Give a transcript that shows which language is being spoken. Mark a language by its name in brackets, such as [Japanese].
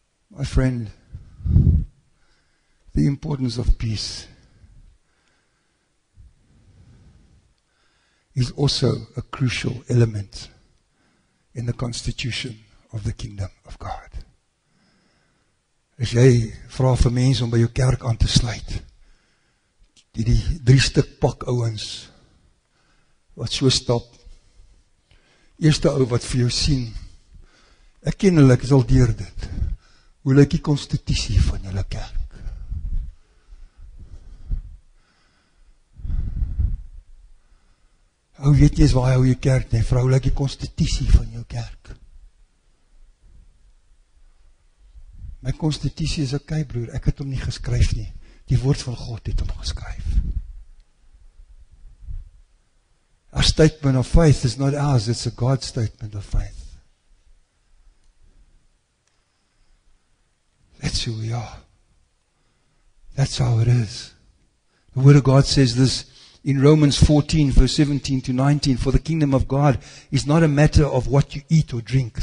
[English] My friend, the importance of peace is also a crucial element in the constitution of the kingdom of God. [Afrikaans] As jy vra vir mense om by jou kerk aan te sluit, die drie stuk pak ouens wat so stap, eerste ou wat vir jou sien, ek ken hulle, ek is al deur dit, hoe lyk die constitutie van hulle kerk? Hou weet jy is waar hou jou kerk, nie, vrou, lyk die constitutie van jou kerk? My constitutie is okay, broer, ek het hom nie geskryf nie. Die woord van God het hom geskryf. [English] Our statement of faith is not ours, it's a God's statement of faith. That's who we are. That's how it is. The word of God says this in Romans 14, verse 17 to 19, for the kingdom of God is not a matter of what you eat or drink.